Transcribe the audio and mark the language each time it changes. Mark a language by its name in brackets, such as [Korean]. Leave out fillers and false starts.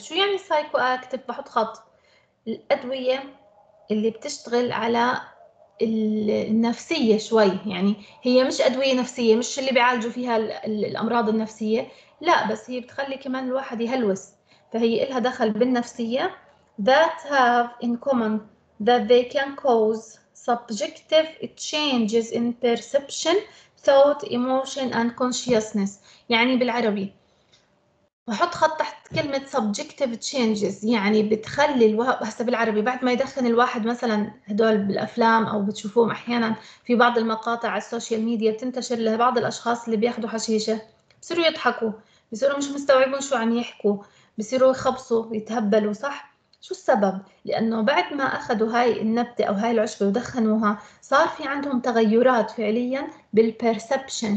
[Arabic] شو يعني psychoactive؟ بحط خط. الأدوية اللي بتشتغل على النفسية شوي، يعني هي مش أدوية نفسية، مش اللي بيعالجوا فيها الأمراض النفسية، لا، بس هي بتخلي كمان الواحد يهلوس، فهي إلها دخل بالنفسية. [English] That have in common that they can cause subjective changes in perception, thought, emotion and consciousness. [Arabic] يعني بالعربي بحط خط تحت كلمة [English] subjective changes، [Arabic] يعني بتخلي هسه بالعربي بعد ما يدخن الواحد مثلا هدول بالأفلام أو بتشوفوهم أحيانا في بعض المقاطع على السوشيال ميديا بتنتشر لبعض الأشخاص اللي بياخدوا حشيشة، بصيروا يضحكوا، بصيروا مش مستوعبين شو عم يحكوا، بصيروا يخبصوا يتهبلوا، صح؟ شو السبب؟ لأنه بعد ما أخذوا هاي النبتة أو هاي العشبة ودخنوها صار في عندهم تغيرات فعليا بالبرسبشن.